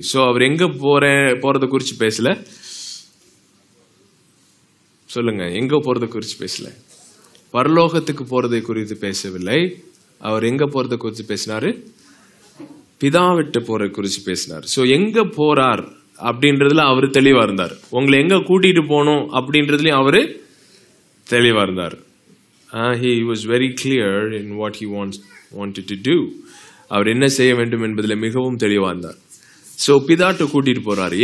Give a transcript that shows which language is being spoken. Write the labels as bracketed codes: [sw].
[ta] So அவர் எங்க போறத குறிச்சு பேசல, சொல்லுங்க, எங்க போறத குறிச்சு பேசல, பரலோகத்துக்கு போறதை குறித்து பேசவில்லை. அவர் எங்க போறத குறித்து பேசினாரு, பிதாவிட்ட போறதை குறித்து பேசினார். சோ எங்க போறார் அப்படின்றதுல அவர் தெளிவா இருந்தார். உங்களை எங்க கூட்டிட்டு போகணும் அப்படின்றதுலயும் அவரு தெளிவா இருந்தார். [en] He was very clear in what he wanted to do. [ta] அவர் என்ன செய்ய வேண்டும் என்பதில் மிகவும் தெளிவா இருந்தார். சோ பிதாட்ட கூட்டிட்டு போறாரு.